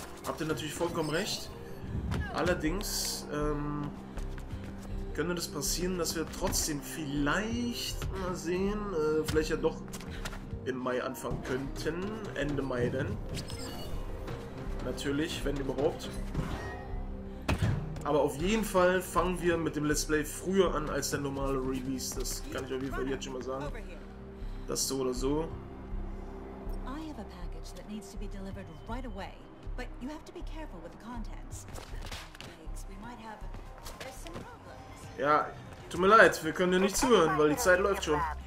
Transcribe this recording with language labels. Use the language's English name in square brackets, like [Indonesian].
[German] Habt ihr natürlich vollkommen recht. Allerdings könnte das passieren, dass wir trotzdem vielleicht mal sehen, vielleicht ja doch im Mai anfangen könnten. Ende Mai denn. Natürlich, wenn überhaupt. Aber auf jeden Fall fangen wir mit dem Let's Play früher an als der normale Release. Das kann ich auf jeden Fall jetzt schon mal sagen. Das so oder so. [English] I have a package that needs to be delivered right away, but you have to be careful with the contents. We might have some problems. [German] Ja, tut mir leid, wir können dir nicht zuhören, weil die Zeit läuft schon.